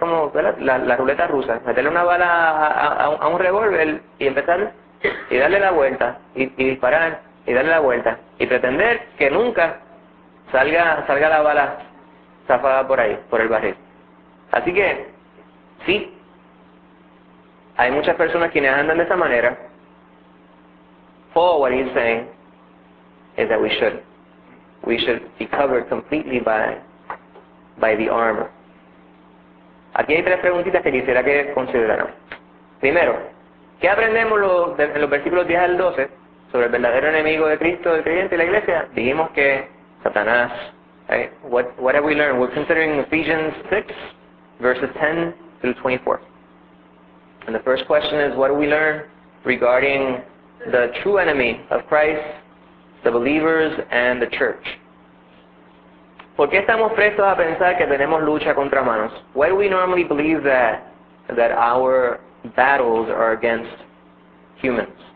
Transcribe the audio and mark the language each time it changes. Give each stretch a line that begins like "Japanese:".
Spanish: Es como la ruleta rusa, meterle una bala a un revólver y empezar y darle la vuelta y disparar y darle la vuelta y pretender que nunca salga la bala zafada por ahí, por el barril. Así que, sí, hay muchas personas quienes andan de esa manera.
English: Paul, what he's saying is that we should be covered completely by the armor.
Spanish: Aquí hay tres preguntitas que quisiera que consideraran. Primero, ¿qué aprendemos en los versículos 10 al 12 sobre el verdadero enemigo de Cristo, del creyente y la iglesia? Dijimos que Satanás,
English: right? What have we learned? We're considering Ephesians 6, verses 10 through 24. And the first question is, what do we learn regarding the true enemy of Christ, the believers, and the church?
Spanish: ¿Por qué estamos prestos a pensar que tenemos lucha contra manos?
English: Why do we normally believe that our battles are against humans?